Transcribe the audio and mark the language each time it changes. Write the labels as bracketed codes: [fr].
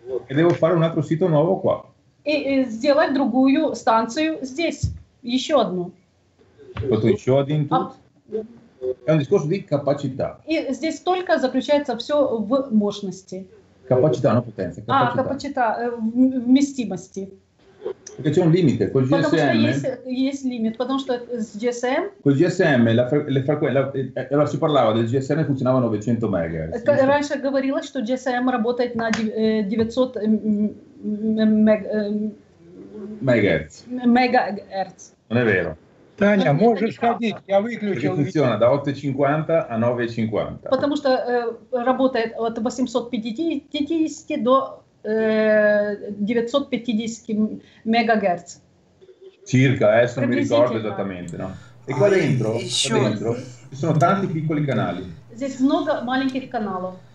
[it] E devo fare un altro sito nuovo qua. [ru] И сделать другую станцию здесь, еще одну. Потом еще один тут. [it] È un discorso di capacità. [ru] И здесь только заключается все в мощности. [it] Capacità, non potenza. [ru] Capacità, вместимости. [it] Perché c'è un limite col GSM. [ru] Потому что есть лимит, потому что с GSM. [it] Col GSM le frequenze, allora si parlava del GSM funzionava 900 MHz. [ru] Раньше говорилось, что GSM работает на 900 MHz. Мегагерц. [it] Non è vero. [ru] Таня, можешь ходить, я выключил. [it] Funziona da 8.50 a 9.50. [ru] Потому что работает от 850 до 950 мегагерц. [it] Circa, adesso non mi ricordo esattamente, no? E qua dentro, ci sono tanti piccoli canali. [ru] Здесь много маленьких каналов.